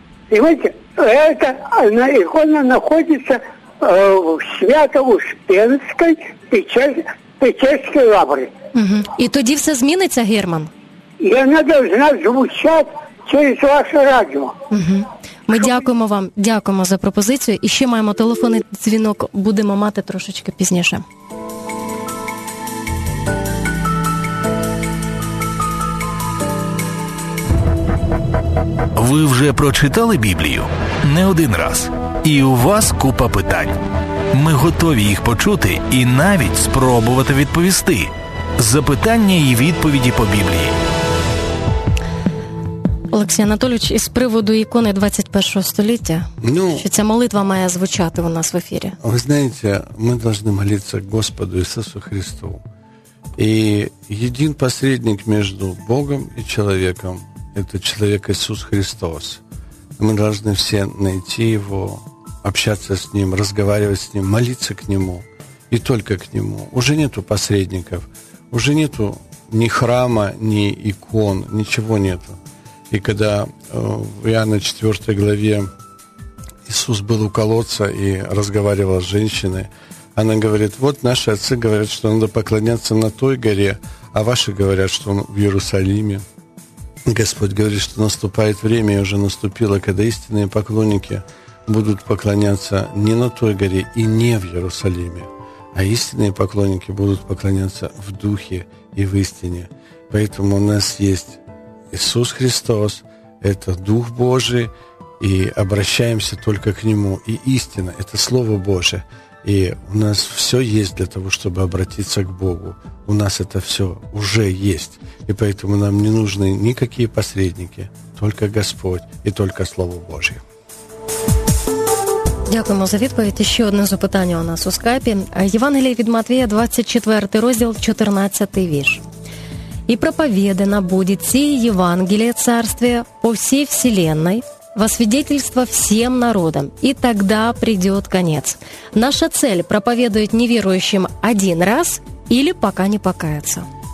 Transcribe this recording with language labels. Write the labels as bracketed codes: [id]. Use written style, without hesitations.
[ru] Понимаете, эта она, икона находится в Свято-Успенской Печерской лавре. И тогда все изменится, Герман? И она должна звучать через ваше радио. [uk] Ми дякуємо вам, дякуємо за пропозицію. І ще маємо телефонний дзвінок, будемо мати трошечки пізніше. Ви вже прочитали Біблію? Не один раз. І у вас купа питань. Ми готові їх почути і навіть спробувати відповісти. Запитання і відповіді по Біблії. Олексій Анатолійович, із приводу ікони 21 століття, ну, що ця молитва має звучати у нас в ефірі? Ви знаєте, ми повинні молитися Господу Ісусу Христу. І єдин посередник між Богом і чоловіком – це людина Ісус Христос. Ми повинні всі знайти Його, спілкуватися з Ним, розмовляти з Ним, молитися к Нему і тільки к Нему. Уже нету посередників, уже нету ні храма, ні ікон, нічого нету. [ru] И когда в Иоанна 4 главе Иисус был у колодца и разговаривал с женщиной, она говорит, вот наши отцы говорят, что надо поклоняться на той горе, а ваши говорят, что он в Иерусалиме. Господь говорит, что наступает время, и уже наступило, когда истинные поклонники будут поклоняться не на той горе и не в Иерусалиме, а истинные поклонники будут поклоняться в духе и в истине. Поэтому у нас есть Иисус Христос, это Дух Божий, и обращаемся только к Нему. И истина, это Слово Божие. И у нас все есть для того, чтобы обратиться к Богу. У нас это все уже есть. И поэтому нам не нужны никакие посредники, только Господь и только Слово Божие. [uk] Дякуємо за відповідь. Ще одне запитання у нас у скайпі. Євангеліє від Матвія, 24 розділ, 14 вірш. [ru] И проповедано будет сие Евангелие Царствия по всей Вселенной во свидетельство всем народам, и тогда придет конец. Наша цель – проповедовать неверующим один раз или пока не покаяться?